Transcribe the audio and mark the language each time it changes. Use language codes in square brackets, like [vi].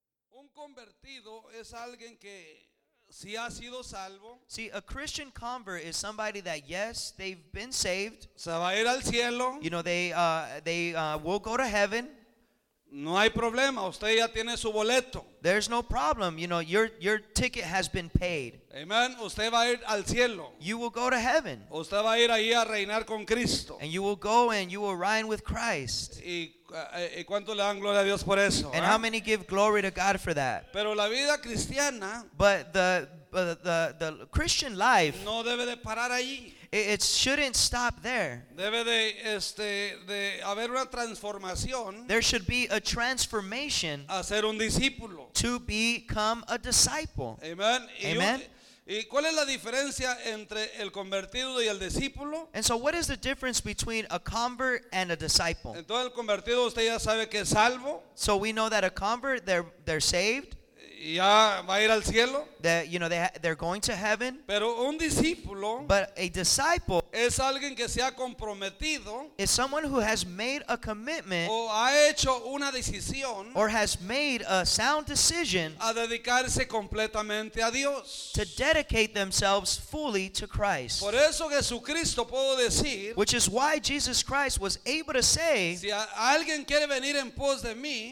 [es] Un convertido es alguien que si ha sido salvo. [en] See, a Christian convert is somebody that, yes, they've been saved. [es] Se va a ir al cielo. [en] You know, they will go to heaven. [es] No hay problema, usted ya tiene su boleto. [en] There's no problem, you know, your ticket has been paid. [es] Amen. Usted va a ir al cielo. [en] You will go to heaven. [es] Usted va a ir ahí a reinar con Cristo. [en] And you will go and you will reign with Christ. [es] ¿Y cuánto le dan gloria a Dios por eso? [en] And how many give glory to God for that? [es] Pero la vida cristiana, [en] but the Christian life, [es] no debe de parar ahí. [en] It shouldn't stop there. [es] Debe de, de haber una transformación. [en] There should be a transformation. [es] A ser un discípulo. [en] To become a disciple. [es] Amen. [en] Amen. [es] ¿Y cuál es la diferencia entre el convertido y el discípulo? [en] And so what is the difference between a convert and a disciple? [es] Entonces el convertido usted ya sabe que es salvo. [en] So we know that a convert, they're saved. [es] Ya va a ir al cielo. [en] That, you know, they're going to heaven. [es] Pero un discípulo, [en] but a disciple, [es] es alguien que se ha comprometido, [en] is someone who has made a commitment, [es] o ha hecho una decisión, [en] or has made a sound decision, [es] a dedicarse completamente a Dios, [en] to dedicate themselves fully to Christ. [es] Por eso Jesucristo puedo decir, [en] which is why Jesus Christ was able to say, [es] si alguien quiere venir en pos de mí,